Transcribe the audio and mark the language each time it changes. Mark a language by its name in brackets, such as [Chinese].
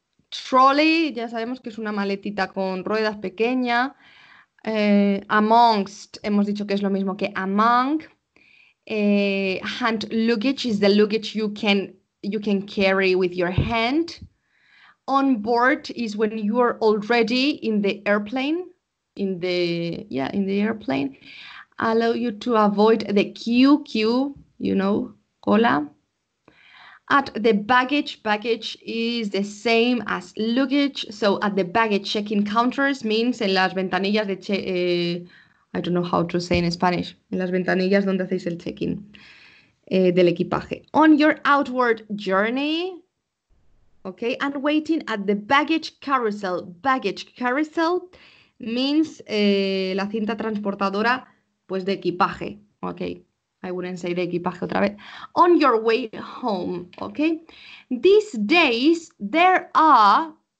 [Spanish] Trolley, ya sabemos que es una maletita con ruedas pequeña. Amongst, hemos dicho que es lo mismo que among. [English] Hand luggage is the luggage you can carry with your hand. On board is when you are already in the airplane. In the airplane. Allow you to avoid the queue, you know, cola. At the baggage is the same as luggage. So at the baggage check-in counters means [Spanish] en las ventanillas de [English] I don't know how to say in Spanish. [Spanish] En las ventanillas donde hacéis el check-in del equipaje. [English] On your outward journey, okay, and waiting at the baggage carousel. Baggage carousel means [Spanish] la cinta transportadora, pues de equipaje, okay. [English] I wouldn't say [Spanish] de equipaje otra vez. [English] On your way home, okay? These days, there are